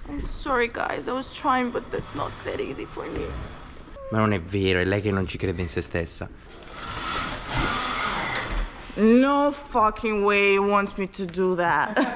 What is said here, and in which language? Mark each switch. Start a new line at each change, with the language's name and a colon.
English: I'm sorry guys, I was trying but that's not that easy for me.
Italian: Ma non è vero, è lei che non ci crede in se stessa.
English: No fucking way wants me to do that.